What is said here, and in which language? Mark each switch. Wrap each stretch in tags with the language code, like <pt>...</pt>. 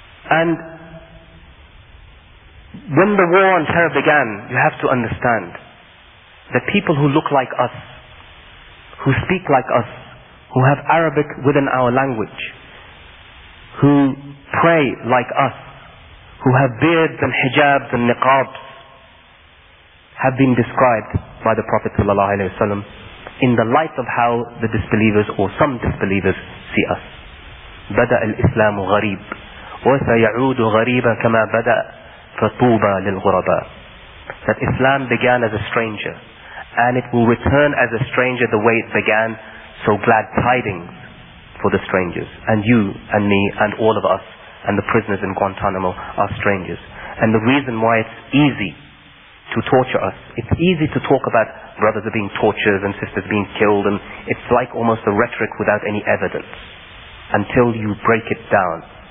<en>And when the war on terror began, you have to understand that people who look like us, who speak like us, who have Arabic within our language, who pray like us, who have beards and hijabs and niqabs, have been described by the Prophet sallallahu alaihi wasallam in the light of how the disbelievers or some disbelievers see us.</en> <ar>بدأ الإسلام غريب وسيعود غريبا كما بدأ فطوبى للغرباء.</ar> <en>That Islam began as a stranger, and it will return as a stranger the way it began, so glad tidings for the strangers. And you and me and all of us and the prisoners in Guantanamo are strangers. And the reason why it's easy to torture us, it's easy to talk about brothers are being tortured and sisters being killed, and it's like almost a rhetoric without any evidence until you break it down.</en>